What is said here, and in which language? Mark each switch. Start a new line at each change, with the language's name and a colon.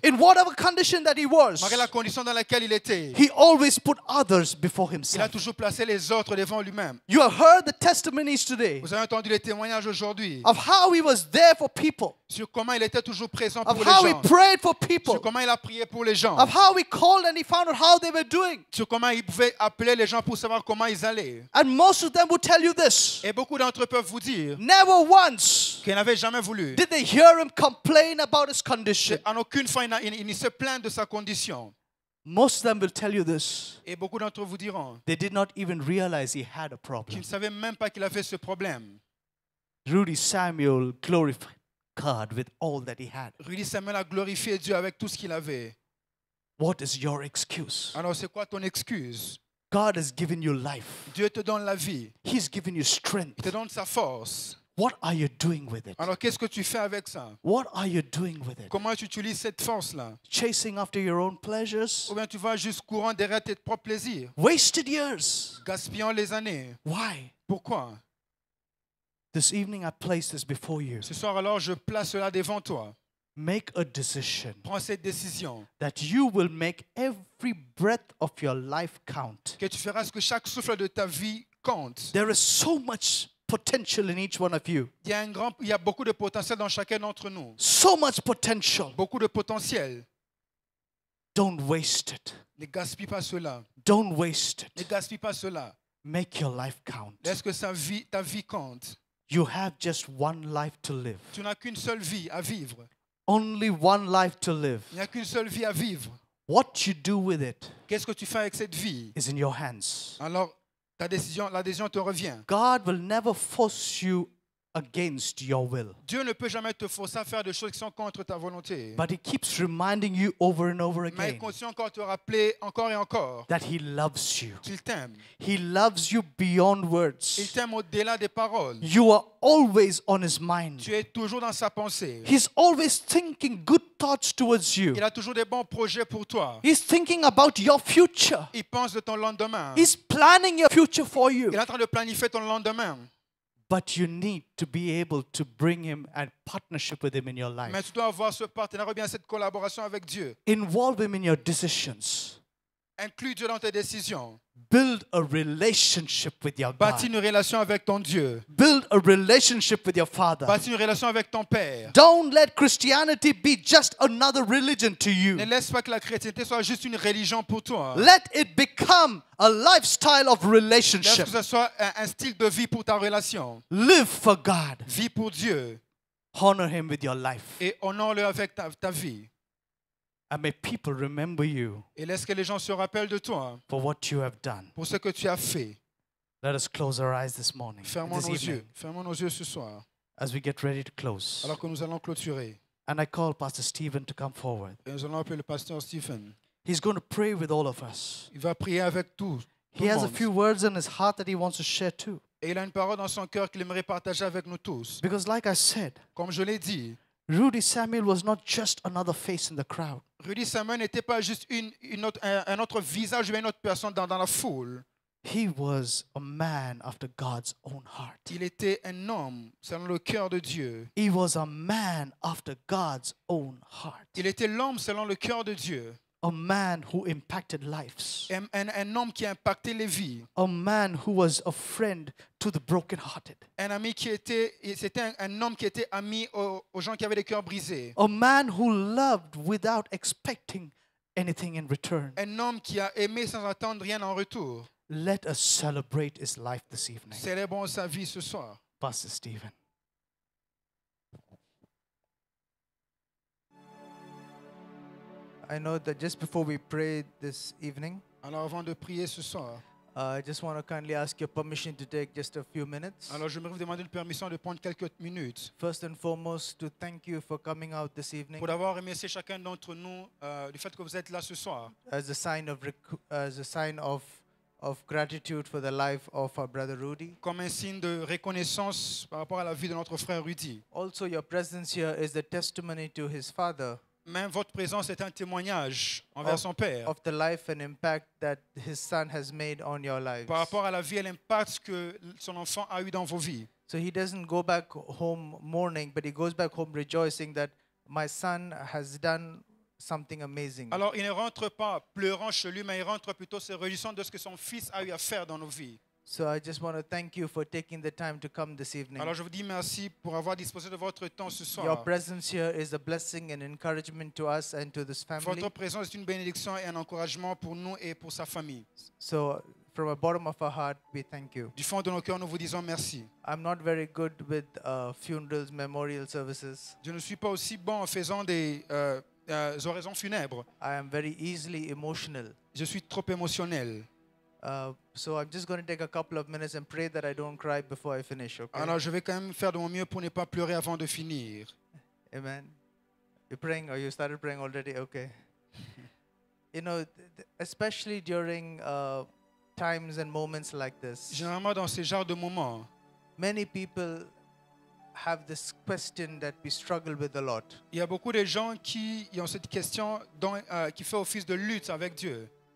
English: in whatever condition that he was,
French: malgré la condition dans laquelle il était,
English: he always put others before himself.
French: Il a toujours placé les autres devant lui-même.
English: You have heard the testimonies today.
French: Vous avez entendu les témoignages aujourd'hui.
English: Of how he was there for people.
French: Sur comment il était toujours présent
English: of
French: pour
English: how
French: les gens.
English: He prayed for people.
French: Sur comment il a prié pour les gens.
English: Of how he called and he found out how they were doing.
French: Sur comment il pouvait appeler les gens pour savoir comment ils allaient.
English: And most of them will tell you this.
French: Et beaucoup d'entre eux peuvent vous dire.
English: Never once.
French: Qu'il n'avait jamais voulu.
English: Did they hear him complain about his condition?
French: En aucune fois, il ne se plaint de sa condition.
English: Most of them will tell you this.
French: Et beaucoup d'entre vous diront.
English: They did not even realize he had a problem.
French: Qu'il ne savait même pas qu'il avait ce problème.
English: Rudy Samuel glorified God with all that he had.
French: Rudy Samuel a glorifié Dieu avec tout ce qu'il avait.
English: What is your excuse?
French: Alors, c'est quoi ton excuse?
English: God has given you life.
French: Dieu te donne la vie.
English: He's given you strength.
French: Il te donne sa force.
English: What are you doing with it?
French: Alors qu'est-ce que tu fais avec ça?
English: What are you doing with it?
French: Comment tu utilises cette force là?
English: Chasing after your own pleasures?
French: Ou bien tu vas juste courant derrière tes propres plaisirs?
English: Wasted years.
French: Gaspillant les années.
English: Why?
French: Pourquoi?
English: This evening I place this before you.
French: Ce soir alors je place cela devant toi.
English: Make a decision.
French: Prends cette décision.
English: That you will make every breath of your life count.
French: Que tu feras ce que chaque souffle de ta vie compte.
English: There is so much potential in each one of you.
French: Il y a beaucoup de potentiel dans chacun d'entre nous.
English: So much potential.
French: Beaucoup de potentiel.
English: Don't waste it.
French: Ne gaspille pas cela.
English: Don't waste it.
French: Ne gaspille pas cela.
English: Make your life count.
French: Laisse que ta vie compte.
English: You have just one life to live.
French: Tu n'as qu'une seule vie à vivre.
English: Only one life to live.
French: Il n'y a qu'une seule vie à vivre.
English: What you do with it?
French: Qu'est-ce que tu fais avec cette vie?
English: Is in your hands.
French: Alors La décision te revient.
English: God will never force you against your will.
French: Dieu ne peut jamais te forcer à faire des choses qui sont contre ta volonté.
English: But he keeps reminding you over and over again.
French: Mais il continue encore à te rappeler encore et encore.
English: That he loves you.
French: Qu'il t'aime.
English: He loves you beyond words.
French: Il t'aime au-delà des paroles.
English: You are always on his mind.
French: Tu es toujours dans sa pensée.
English: He's always thinking good thoughts towards you.
French: Il a toujours des bons projets pour toi.
English: He's thinking about your future.
French: Il pense de ton lendemain.
English: He's planning your future for you.
French: Il est en train de planifier ton lendemain.
English: But you need to be able to bring him a partnership with him in your life.
French: Mais tu dois avoir ce partenariat, bien cette collaboration avec Dieu.
English: Involve him in your decisions.
French: Inclus Dieu dans tes décisions.
English: Build a relationship with your God.
French: Bâtis une relation avec ton Dieu.
English: Build a relationship with your Father.
French: Bâtis une relation avec ton Père.
English: Don't let Christianity be just another religion to you.
French: Ne laisse pas que la chrétienté soit juste une religion pour toi.
English: Let it become a lifestyle of relationship.
French: Laisse que ce soit un style de vie pour ta relation.
English: Live for God.
French: Vis pour Dieu.
English: Honor him with your life.
French: Et honore-le avec ta vie.
English: And may people remember you.
French: Et laisse que les gens se rappellent de toi.
English: For what you have done.
French: Pour ce que tu as fait.
English: Let us close our eyes this morning.
French: Fermons nos yeux ce soir.
English: As we get ready to close.
French: Alors que nous allons clôturer.
English: And I call Pastor Stephen to come forward.
French: Et nous allons appeler le pasteur Stephen.
English: He's going to pray with all of us.
French: Il va prier avec tout.
English: He has a few words in his heart that he wants to share too.
French: Et il a une parole dans son cœur qu'il aimerait partager avec nous tous.
English: Because like I said.
French: Comme je l'ai dit.
English: Rudy Samuel was not just another face in the crowd.
French: Rudy Samuel n'était pas juste un autre visage ou une autre personne dans la foule.
English: He was a man after God's own heart.
French: Il était un homme selon le cœur de Dieu.
English: He was a man after God's own heart.
French: Il était l'homme selon le cœur de Dieu.
English: A man who impacted lives.
French: Un homme qui a impacté les vies.
English: A man who was a friend to the brokenhearted.
French: Un ami qui était, c'était un homme qui était ami aux gens qui avaient les cœurs brisés.
English: A man who loved without expecting anything in return.
French: Un homme qui a aimé sans attendre rien en retour.
English: Let us celebrate his life this evening.
French: Célébrons sa vie ce soir.
English: Pastor Stephen. I know that just before we pray this evening,
French: alors avant de prier ce soir,
English: I just want to kindly ask your permission to take just a few minutes.
French: Alors j'aimerais vous demander la permission de prendre quelques minutes.
English: First and foremost, to thank you for coming out this evening.
French: Pour avoir remercié chacun d'entre nous du fait que vous êtes là ce soir.
English: As a sign of gratitude for the life of our brother Rudy.
French: Comme un signe de reconnaissance par rapport à la vie de notre frère Rudy.
English: Also, your presence here is the testimony to his father.
French: Même votre présence est un témoignage envers son père.
English: Of the life and impact that his son has made on your lives.
French: Par rapport à la vie et l'impact que son enfant a eu dans vos vies.
English: So he doesn't go back home mourning, but he goes back home rejoicing that my son has done something amazing.
French: Alors il ne rentre pas pleurant chez lui, mais il rentre plutôt se réjouissant de ce que son fils a eu à faire dans nos vies.
English: So I just want to thank you for taking the time to come this evening.
French: Alors je vous dis merci pour avoir disposé de votre temps ce soir.
English: Your presence here is a blessing and encouragement to us and to this family.
French: Votre présence est une bénédiction et un encouragement pour nous et pour sa famille.
English: So from the bottom of our heart, we thank you.
French: Du fond de nos cœurs, nous vous disons merci.
English: I'm not very good with funerals, memorial services.
French: Je ne suis pas aussi bon en faisant des oraisons funèbres.
English: I am very easily emotional.
French: Je suis trop émotionnel.
English: So I'm just going to take a couple of minutes and pray that I don't cry before I finish, okay?
French: Alors je vais quand même faire de mon mieux pour ne pas pleurer avant de finir.
English: Amen. You're praying or you started praying already? Okay. You know, especially during times and moments like this.
French: Généralement dans ces genres de moments.
English: Many people have this question that we struggle with a lot.
French: Il y a beaucoup de gens qui ont cette question qui fait office de lutte avec Dieu.